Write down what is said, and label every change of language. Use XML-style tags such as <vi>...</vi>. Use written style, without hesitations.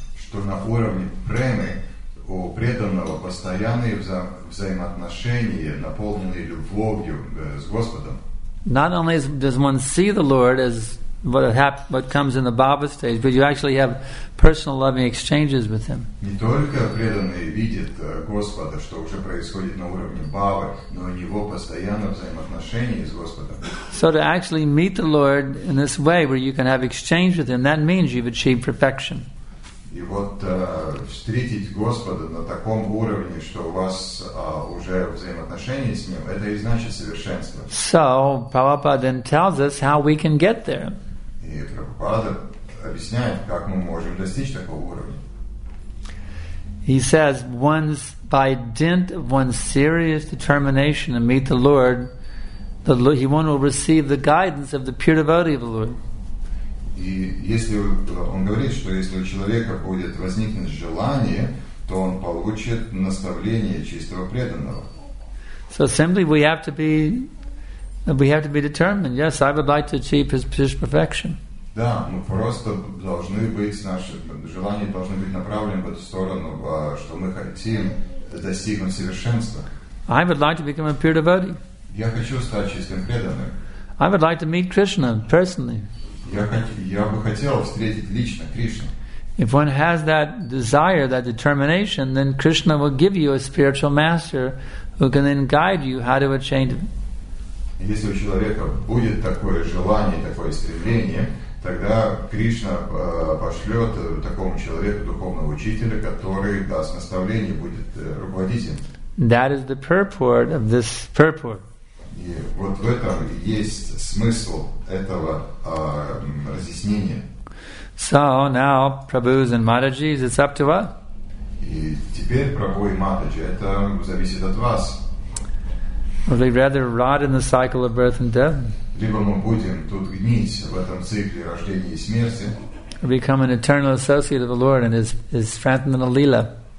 <ru>Что на уровне премы у преданного постоянные взаимоотношения, наполненные любовью с Господом.</ru> <en>Not only does one see the Lord as what comes in the bhava stage, but you actually have personal loving exchanges with him.</en> <ru>Не только преданные видят Господа, что уже происходит на уровне бхавы, но у него постоянно взаимоотношения с Господом.</ru> <en>So to actually meet the Lord in this way, where you can have exchange with him, that means you've achieved perfection.</en> <ru>И вот встретить Господа на таком уровне, что у вас уже взаимоотношения с Ним, это и значит совершенство.</ru> <en>So, Prabhupada then tells us how we can get there.</en> <ru>И Прабхупада объясняет, как мы можем достичь такого уровня.</ru> <en>He says, once by dint of one's serious determination to meet the Lord, the Lord, he one will receive the guidance of the pure devotee of the Lord.</en> <ru>И если он говорит, что если у человека будет возникнуть желание, то он получит наставление чистого преданного.</ru> <en>So simply we have to be determined. Yes, I would like to achieve his perfection.</en> <ru>Да, мы просто должны быть, наши желания должны быть направлены в эту сторону, что мы хотим достигнуть совершенства.</ru> <en>I would like to become a pure devotee.</en> <ru>Я хочу стать чистым преданным.</ru> <en>I would like to meet Krishna personally.</en> <ru>Я бы хотел встретить лично Кришну.</ru> <en>If one has that desire, that determination, then Krishna will give you a spiritual master who can then guide you how to attain it.</en> <ru>Если у человека будет такое желание, такое стремление, тогда Кришна пошлет такому человеку духовного учителя, который даст наставление, будет руководителем.</ru> <en>That is the purport of this purport.</en> <ru>И вот в этом есть смысл этого разъяснения.</ru> <en>So now, Prabhus and Matajis, it's up to us.</en> <ru>И теперь, Прабху и Матаджи, это зависит от вас.</ru> <en>Would we rather rot in the cycle of birth and death?</en> <ru>Либо мы будем тут гнить в этом цикле рождения и смерти.</ru> <en>Or become an eternal associate of the Lord and his transcendental lila.</en>